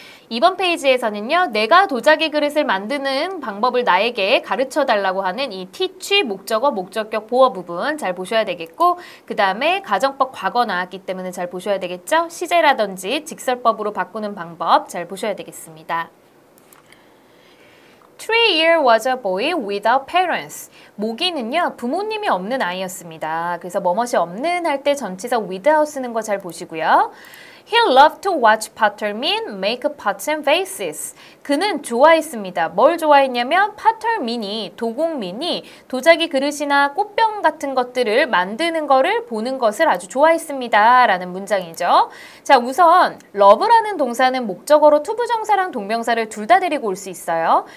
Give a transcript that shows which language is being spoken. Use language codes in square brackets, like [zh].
[ko] 이번 페이지에서는요, 내가 도자기 그릇을 만드는 방법을 나에게 가르쳐 달라고 하는 이 teach 목적어 목적격 보어 부분 잘 보셔야 되겠고, 그 다음에 가정법 과거 나왔기 때문에 잘 보셔야 되겠죠? 시제라든지 직설법으로 바꾸는 방법 잘 보셔야 되겠습니다. [en] 3 years was a boy without parents. [ko] 모기는요, 부모님이 없는 아이였습니다. 그래서 뭐뭐이 없는 할 때 전치사 without 쓰는 거 잘 보시고요. [en] He loved to watch Pottermin make pots and vases. [ko] 그는 좋아했습니다. 뭘 좋아했냐면 Pottermin이 도공민이 도자기 그릇이나 꽃병 같은 것들을 만드는 거를 보는 것을 아주 좋아했습니다라는 문장이죠. 자, 우선 love라는 동사는 목적어로 to 부정사랑 동명사를 둘 다 데리고 올 수 있어요.